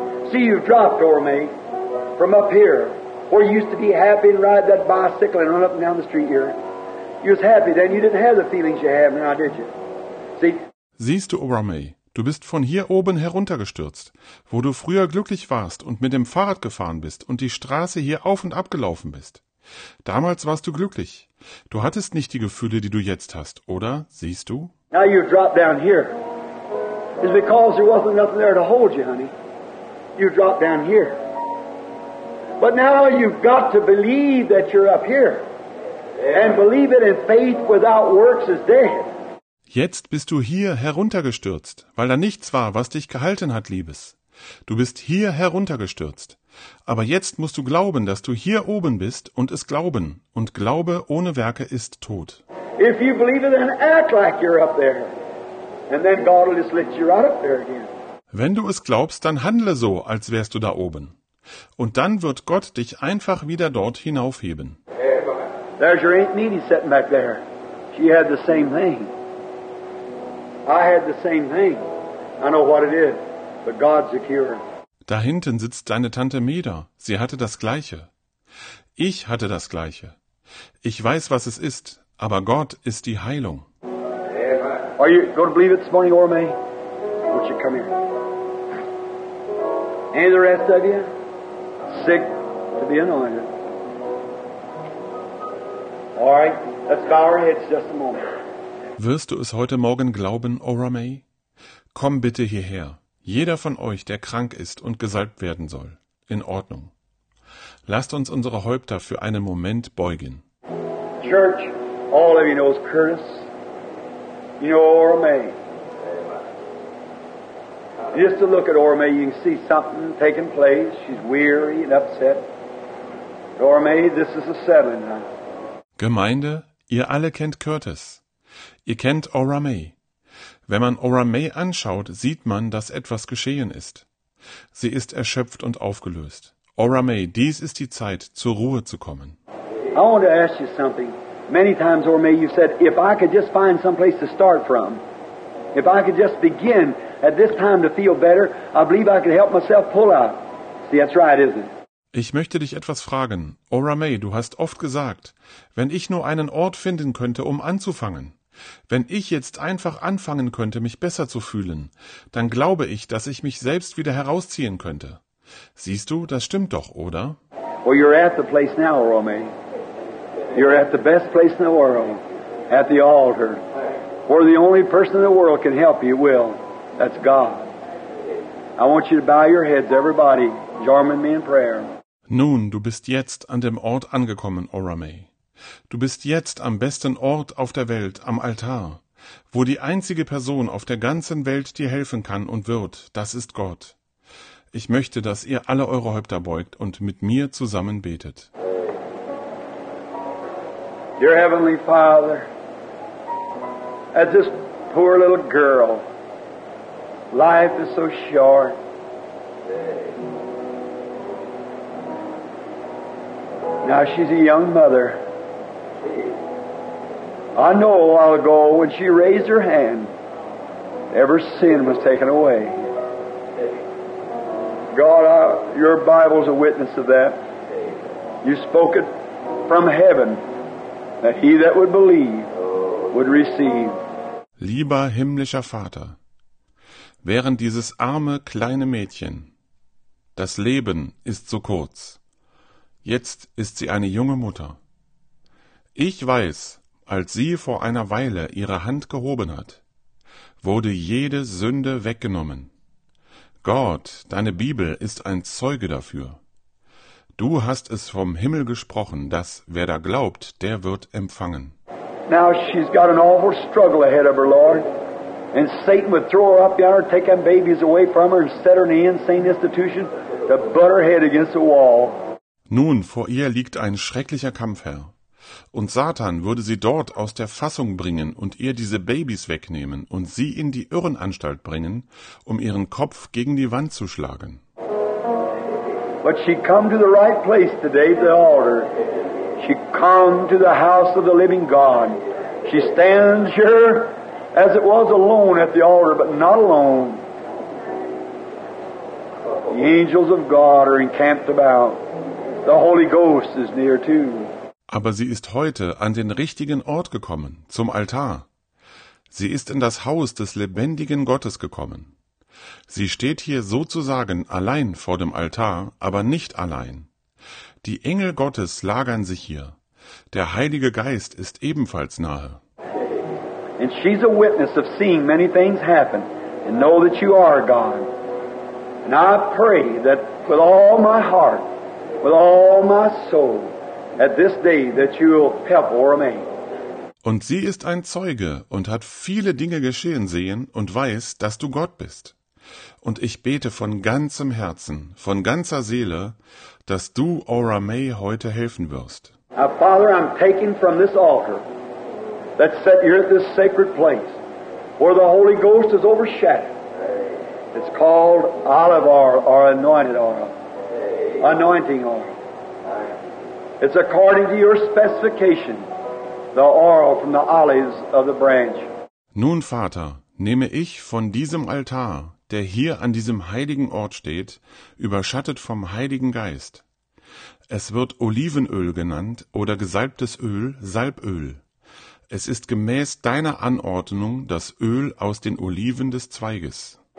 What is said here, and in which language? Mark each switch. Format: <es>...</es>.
<en>See, you've dropped over me from up here, where you used to be happy and ride that bicycle and run up and down the street here. You was happy then, you didn't have the feelings you have now, did you? See?</en> <de>Siehst du, Oramay, du bist von hier oben heruntergestürzt, wo du früher glücklich warst und mit dem Fahrrad gefahren bist und die Straße hier auf und ab gelaufen bist. Damals warst du glücklich. Du hattest nicht die Gefühle, die du jetzt hast, oder? Siehst du?</de> <en>Now you dropped down here. It's because there wasn't nothing there to hold you, honey. You dropped down here. But now you've got to believe that you're up here. And believe it in faith without works is dead.</en> <de>Jetzt bist du hier heruntergestürzt, weil da nichts war, was dich gehalten hat, Liebes. Du bist hier heruntergestürzt. Aber jetzt musst du glauben, dass du hier oben bist und es glauben. Und Glaube ohne Werke ist tot.</de> <en>If you believe it, then act like you're up there. And then God will just lift you right up there again.</en> <de>Wenn du es glaubst, dann handle so, als wärst du da oben. Und dann wird Gott dich einfach wieder dort hinaufheben.</de> <en>There's your Aunt Needy sitting back there. She had the same thing. I had the same thing. I know what it is, but God's a cure.</en> <de>Da hinten sitzt deine Tante Meda. Sie hatte das Gleiche. Ich hatte das Gleiche. Ich weiß, was es ist, aber Gott ist die Heilung.</de> <en>Are you going to believe it this morning, or me? Won't you come here? Any of the rest of you sick to be anointed? All right, let's bow our heads just a moment.</en> <de>Wirst du es heute Morgen glauben, Oramay? Komm bitte hierher, jeder von euch, der krank ist und gesalbt werden soll. In Ordnung. Lasst uns unsere Häupter für einen Moment beugen.</de> <en>Church, all of you knows Curtis. You know Oramay. Just to look at Oramay, you can see something taking place. She's weary and upset. Oramay, this is a settling time.</en> <de>Gemeinde, ihr alle kennt Curtis. Ihr kennt Oramay. Wenn man Oramay anschaut, sieht man, dass etwas geschehen ist. Sie ist erschöpft und aufgelöst. Oramay, dies ist die Zeit, zur Ruhe zu kommen.</de> <en>I want to ask you something. Many times, Oramay, you said, if I could just find some place to start from, if I could just begin at this time to feel better, I believe I could help myself pull out. See, that's right, isn't it?</en> <de>Ich möchte dich etwas fragen. Oramay, du hast oft gesagt, wenn ich nur einen Ort finden könnte, um anzufangen, wenn ich jetzt einfach anfangen könnte, mich besser zu fühlen, dann glaube ich, dass ich mich selbst wieder herausziehen könnte. Siehst du, das stimmt doch, oder?</de> <en>Well, you're at the place now, Oramay. You're at the best place in the world, at the altar, where the only person in the world can help you will. That's God. I want you to bow your heads, everybody. Join me in prayer.</en> <de>Nun, du bist jetzt an dem Ort angekommen, Oramay. Du bist jetzt am besten Ort auf der Welt, am Altar, wo die einzige Person auf der ganzen Welt dir helfen kann und wird, das ist Gott. Ich möchte, dass ihr alle eure Häupter beugt und mit mir zusammen betet.</de> <en>Dear Heavenly Father, as this poor little girl, life is so short. Now she's a young mother. I know a while ago when she raised her hand, every sin was taken away. God, your Bible's a witness of that. You spoke it from heaven, that he that would believe would receive.</en> <de>Lieber himmlischer Vater, während dieses arme kleine Mädchen, das Leben ist so kurz, jetzt ist sie eine junge Mutter. Ich weiß, als sie vor einer Weile ihre Hand gehoben hat, wurde jede Sünde weggenommen. Gott, deine Bibel ist ein Zeuge dafür. Du hast es vom Himmel gesprochen, dass wer da glaubt, der wird empfangen.</de> <en>Now she's got an awful struggle ahead of her, Lord. And Satan would throw her up yonder, take them babies away from her and set her in the insane institution to butt her head against the wall.</en> <de>Nun, vor ihr liegt ein schrecklicher Kampf, Herr. Und Satan würde sie dort aus der Fassung bringen und ihr diese Babys wegnehmen und sie in die Irrenanstalt bringen, um ihren Kopf gegen die Wand zu schlagen.</de> <en>But she come to the right place today, the altar. She come to the house of the living God. She stands here as it was alone at the altar, but not alone. The angels of God are encamped about. The Holy Ghost is near too.</en> <de>Aber sie ist heute an den richtigen Ort gekommen, zum Altar. Sie ist in das Haus des lebendigen Gottes gekommen. Sie steht hier sozusagen allein vor dem Altar, aber nicht allein. Die Engel Gottes lagern sich hier. Der Heilige Geist ist ebenfalls nahe.</de> <en>And she's a witness of seeing many things happen and know that you are God. And I pray that with all my heart, with all my soul, at this day that you will help Orame.</en> <de>Und sie ist ein Zeuge und hat viele Dinge geschehen sehen und weiß, dass du Gott bist. Und ich bete von ganzem Herzen, von ganzer Seele, dass du Orame heute helfen wirst.</de> <en>Now, Father, I'm taking from this altar that's set here at this sacred place where the Holy Ghost is overshadowed. It's called olive oil or anointed oil, anointing oil. It's according to your specification, the oil from the olives of the branch.</en> <de>Nun, Vater, nehme ich von diesem Altar, der hier an diesem heiligen Ort steht, überschattet vom Heiligen Geist. Es wird Olivenöl genannt oder gesalbtes Öl, Salböl. Es ist gemäß deiner Anordnung das Öl aus den Oliven des Zweiges.</de>